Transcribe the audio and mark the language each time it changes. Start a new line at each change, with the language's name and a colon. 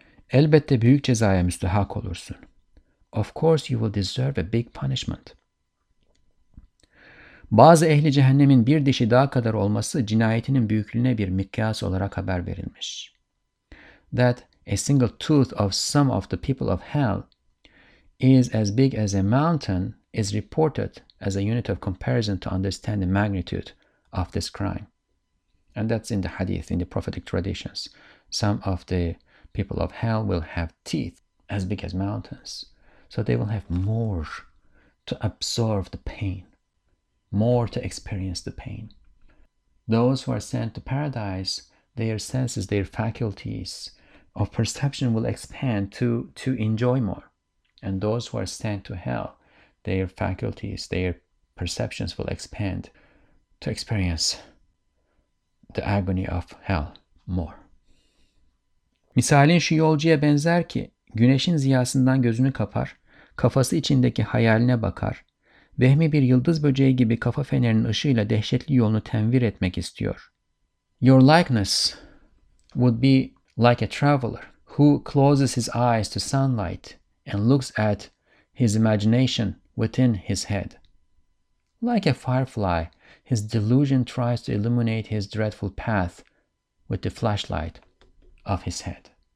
Turkish: Elbette büyük cezaya müstahak olursun.
English: Of course you will deserve a big punishment.
Turkish: Bazı ehli cehennemin bir dişi dağ kadar olması cinayetinin büyüklüğüne bir mikyas olarak haber verilmiş.
English: That a single tooth of some of the people of hell is as big as a mountain is reported as a unit of comparison to understand the magnitude of this crime. And that's in the hadith, in the prophetic traditions. Some of the people of hell will have teeth as big as mountains. So they will have more to absorb the pain. More to experience the pain. Those who are sent to paradise, their senses, their faculties of perception will expand to enjoy more. And those who are sent to hell, their faculties, their perceptions will expand to experience the agony of hell more.
Turkish: Misalin şu yolcuya benzer ki, güneşin ziyasından gözünü kapar, kafası içindeki hayaline bakar, vehmi bir yıldız böceği gibi kafa fenerinin ışığıyla dehşetli yolunu tenvir etmek istiyor.
English: Your likeness would be like a traveler who closes his eyes to sunlight and looks at his imagination within his head. Like a firefly, his delusion tries to illuminate his dreadful path with the flashlight of his head.